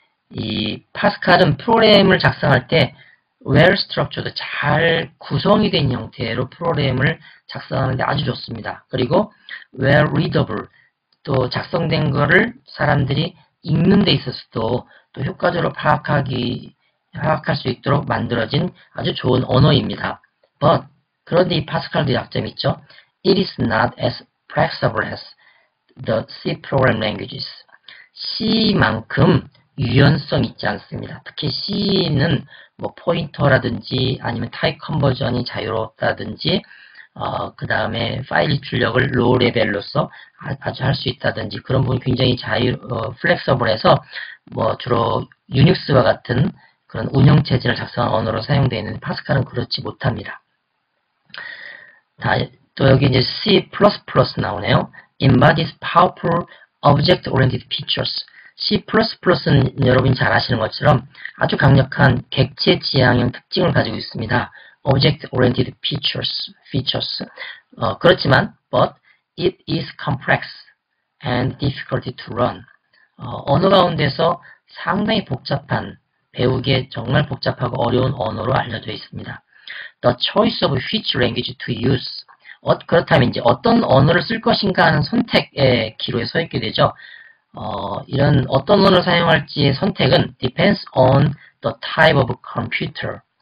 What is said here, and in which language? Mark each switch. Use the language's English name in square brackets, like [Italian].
[Korean] 이 파스칼은 프로그램을 작성할 때 well-structured, 잘 구성이 된 형태로 프로그램을 작성하는데 아주 좋습니다. 그리고 well-readable, 또 작성된 거를 사람들이 읽는 데 있어서도 또 효과적으로 파악할 수 있도록 만들어진 아주 좋은 언어입니다. But, 그런데 이 파스칼도 약점이 있죠. [English] It is not as flexible as the C program languages. [Korean] C만큼 유연성 있지 않습니다. 특히 C는 뭐 포인터라든지 아니면 타입 컨버전이 자유롭다든지 그 다음에 파일 출력을 로우 레벨로서 아주 할 수 있다든지 그런 부분이 굉장히 플렉서블해서 뭐 주로 유닉스와 같은 그런 운영체제를 작성한 언어로 사용되어 있는 파스칼은 그렇지 못합니다. 또 여기 이제 C++ 나오네요. [English] Embodies powerful object-oriented features. [Korean] C++는 여러분이 잘 아시는 것처럼 아주 강력한 객체 지향형 특징을 가지고 있습니다. [English] Object-oriented features. But it is complex and difficult to run. [Korean] 언어 가운데서 상당히 복잡한, 배우기에 정말 복잡하고 어려운 언어로 알려져 있습니다. [English] The choice of which language to use. [Korean] 그렇다면 이제 어떤 언어를 쓸 것인가 하는 선택의 기로에 서 있게 되죠. 이런 어떤 언어를 사용할지의 선택은 [English] depends on the type of computer.